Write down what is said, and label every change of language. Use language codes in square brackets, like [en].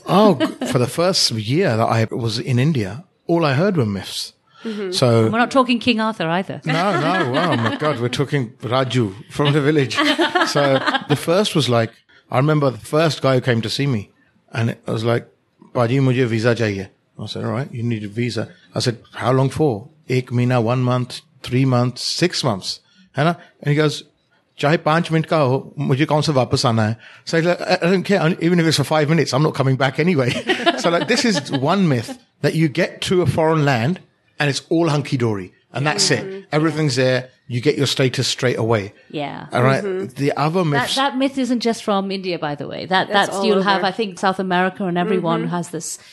[en] Oh, for the first year that I was in India, all I heard were myths. Mm-hmm. So we're not talking King Arthur either. No. Oh, my God. We're talking Raju from the village. So the first was like, I remember the first guy who came to see me, and I was like, [hi] Baji, mujhe visa chahiye. [en] I said, all right, you need a visa. I said, how long for? 1 महीना, 1 month, 3 months, 6 months. [hi] Hai na? [en] And he goes, [hi] चाहे 5 minute का हो, मुझे कौन से वापस आना है. [en] So he's like, I don't care. Even if it's for 5 minutes, I'm not coming back anyway. So like, this is one myth that you get to a foreign land and it's all hunky dory. And that's it. Everything's there. You get your status straight away. Yeah. All right. Mm-hmm. The other myths. That myth isn't just from India, by the way. That's all over. I think South America and everyone has this.